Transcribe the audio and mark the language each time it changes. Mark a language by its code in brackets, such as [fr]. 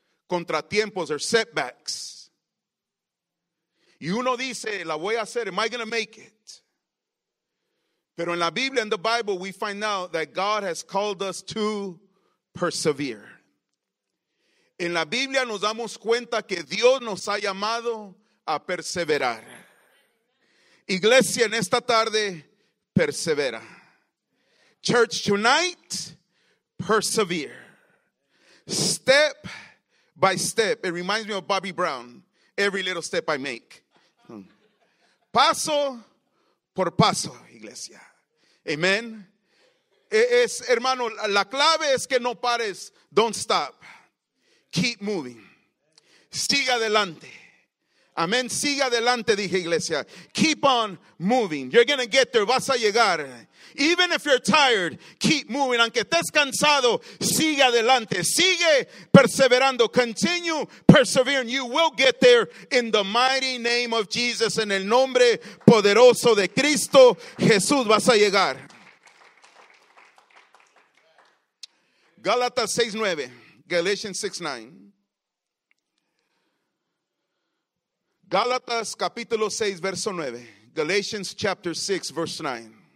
[es] Contratiempos, [en] there's setbacks. [es] Y uno dice, la voy a hacer, [en] am I going to make it? [es] Pero en la Biblia, [en] in the Bible, we find out that God has called us to persevere. [es] En la Biblia nos damos cuenta que Dios nos ha llamado a perseverar. Iglesia, en esta tarde, persevera. [en] Church, tonight, persevere. Step by step. It reminds me of Bobby Brown. Every little step I make. [es] Paso por paso, iglesia. [en] Amen. [es] Es, hermano, la clave es que no pares. [en] Don't stop. Keep moving. [es] Sigue adelante. [en] Amen. [es] Sigue adelante, dije, iglesia. [en] Keep on moving. You're going to get there. [es] Vas a llegar. [en] Even if you're tired, keep moving. [es] Aunque estés cansado, sigue adelante. Sigue perseverando. [en] Continue persevering. You will get there in the mighty name of Jesus. [es] En el nombre poderoso de Cristo Jesús vas a llegar. Gálatas 6:9. Galatians 6:9. Gálatas capítulo 6, verso 9. [en] Galatians chapter 6, verse 9.